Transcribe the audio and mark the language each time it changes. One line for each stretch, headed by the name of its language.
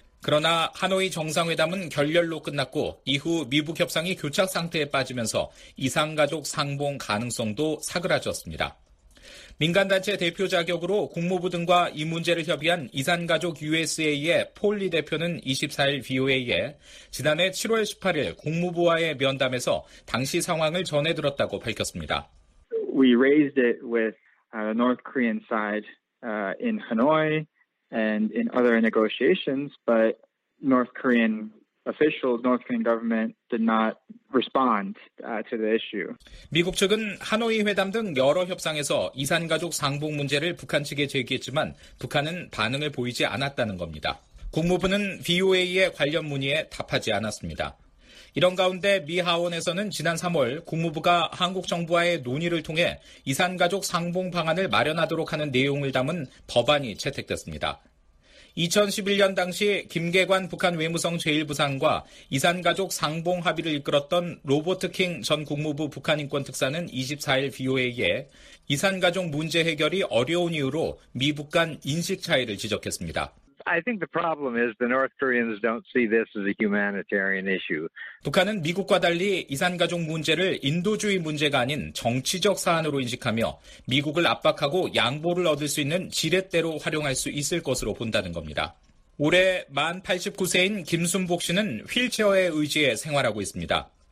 Korean: 그러나 하노이 정상회담은 결렬로 끝났고 이후 미북 협상이 교착 상태에 빠지면서 이산가족 상봉 가능성도 사그라졌습니다. 민간단체 대표 자격으로 국무부 등과 이 문제를 협의한 이산가족 USA의 폴리 대표는 24일 VOA에 지난해 7월 18일 국무부와의 면담에서 당시 상황을 전해들었다고 밝혔습니다.
English: We raised it with the North Korean side in Hanoi. And in other negotiations, but North Korean officials, North Korean government did not respond to the issue.
Korean: 미국 측은 하노이 회담 등 여러 협상에서 이산가족 상봉 문제를 북한 측에 제기했지만 북한은 반응을 보이지 않았다는 겁니다. 국무부는 VOA의 관련 문의에 답하지 않았습니다. 이런 가운데 미 하원에서는 지난 3월 국무부가 한국 정부와의 논의를 통해 이산가족 상봉 방안을 마련하도록 하는 내용을 담은 법안이 채택됐습니다. 2011년 당시 김계관 북한 외무성 제1부상과 이산가족 상봉 합의를 이끌었던 로버트 킹 전 국무부 북한인권특사는 24일 VOA에 이산가족 문제 해결이 어려운 이유로 미북 간 인식 차이를 지적했습니다.
English: I think the problem is the North Koreans don't see this as a humanitarian issue.
Korean: 북한은 미국과 달리 이산가족 문제를 인도주의 문제가 아닌 정치적 사안으로 인식하며 미국을 압박하고 양보를 얻을 수 있는 지렛대로 활용할 수 있을 것으로 본다는 겁니다. 올해 만 89세인 김순복 씨는 휠체어에 의지해 생활하고 있습니다.